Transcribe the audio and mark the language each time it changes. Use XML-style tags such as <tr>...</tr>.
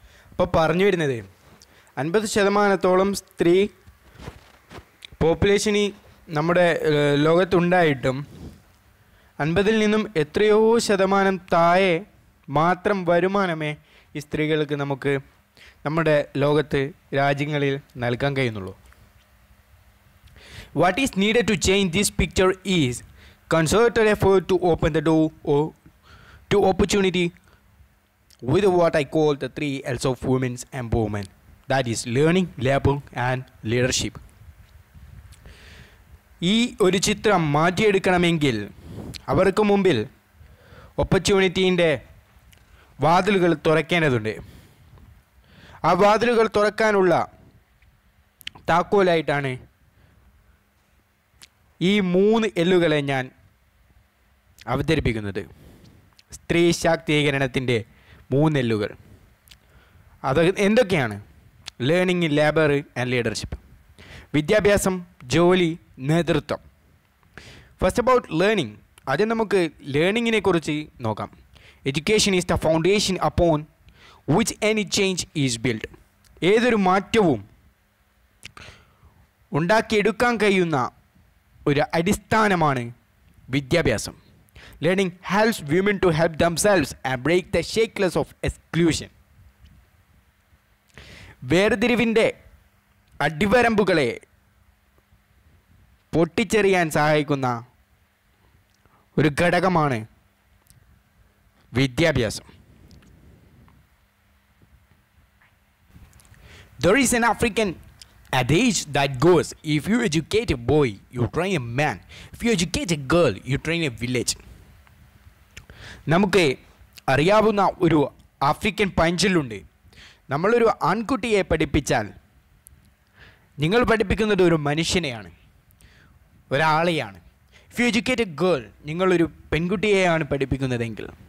<ml>appo parnju irunnathu 50% stree population ee nammude logathu undayittum 50il ninnum etrayo shathamanam thaaye മാത്രം വരുമാനമേ ഈ സ്ത്രീകൾക്ക് നമുക്ക് നമ്മുടെ ലോകത്ത് രാജ്യങ്ങളിൽ നൽകാൻ കഴിയുന്നുള്ളൂ.</ml> <en>What is need to change this picture is concerted effort to open the door to opportunity with what I call the three Ls of women's empowerment, that is learning, labour and leadership.</en> <ml>ഈ ഒരു ചിത്രം മാറ്റിയെടുക്കണമെങ്കിൽ അവർക്ക് മുമ്പിൽ ഓപ്പർച്യൂണിറ്റീൻ്റെ വാതിലുകൾ തുറക്കേണ്ടതുണ്ട്. ആ വാതിലുകൾ തുറക്കാനുള്ള താക്കോലായിട്ടാണ് ഈ 3 L's ഞാൻ അവതരിപ്പിക്കുന്നത്. സ്ത്രീ ശാക്തീകരണത്തിൻ്റെ 3 L's. അത് എന്തൊക്കെയാണ്?</ml> <en>Learning, labour and leadership.</en> <ml>വിദ്യാഭ്യാസം, ജോലി, നേതൃത്വം.</ml> <en>first about learning,</en> <ml>ആദ്യം നമുക്ക് ലേണിങ്ങിനെ കുറിച്ച് നോക്കാം.</ml> <en>Education is the foundation upon which any change is built.</en> <ml>ഏതൊരു മാറ്റവും ഉണ്ടാക്കിയെടുക്കാൻ കഴിയുന്ന ഒരു അടിസ്ഥാനമാണ് വിദ്യാഭ്യാസം.</ml> <en>Learning helps women to help themselves and break the shackles of exclusion.</en> <ml>വേർതിരിവിൻ്റെ അടിവരമ്പുകളെ പൊട്ടിച്ചെറിയാൻ സഹായിക്കുന്ന ഒരു ഘടകമാണ് വിദ്യാഭ്യാസം.</ml> <en>There is an African adage that goes, if you educate a boy, you train a man. If you educate a girl, you train a village.</en> <ml>നമുക്ക് അറിയാവുന്ന ഒരു African പഴഞ്ചൊല്ലുണ്ട്, നമ്മളൊരു ആൺകുട്ടിയെ പഠിപ്പിച്ചാൽ നിങ്ങൾ പഠിപ്പിക്കുന്നത് ഒരു മനുഷ്യനെയാണ്, ഒരാളെയാണ്.</ml> <en>if you educate a girl,</en> <ml>നിങ്ങളൊരു പെൺകുട്ടിയെയാണ് പഠിപ്പിക്കുന്നതെങ്കിൽ.</ml>